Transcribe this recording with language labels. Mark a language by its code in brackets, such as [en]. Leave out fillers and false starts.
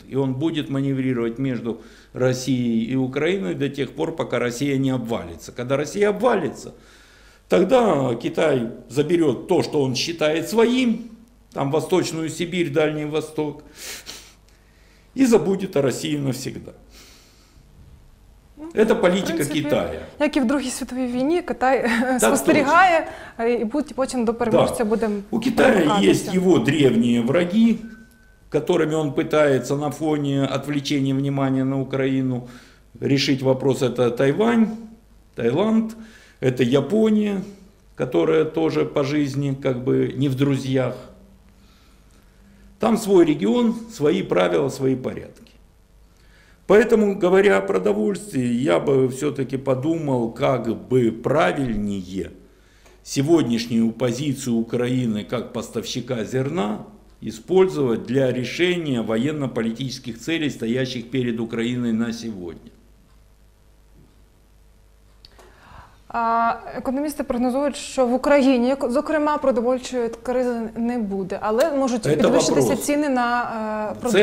[ru] И он будет маневрировать между Россией и Украиной до тех пор, пока Россия не обвалится. Когда Россия обвалится, тогда Китай заберет то, что он считает своим, там Восточную Сибирь, Дальний Восток, и забудет о России навсегда. Это политика, в принципе, Китая. [uk] Як і в Другій світовій війні, Китай спостерігає і будь потім до переможця буде. [ru] У Китая есть его древние враги, которыми он пытается на фоне отвлечения внимания на Украину решить вопрос. Это Тайвань, Таиланд, это Япония, которая тоже по жизни как бы не в друзьях. Там свой регион, свои правила, свои порядки. Поэтому, говоря о продовольствии, я бы все-таки подумал, как бы правильнее сегодняшнюю позицию Украины как поставщика зерна использовать для решения военно-политических целей, стоящих перед Украиной на сегодня. [uk] Економісти прогнозують, що в Україні, зокрема, продовольчої кризи не буде, але можуть підвищитися ціни на продукти.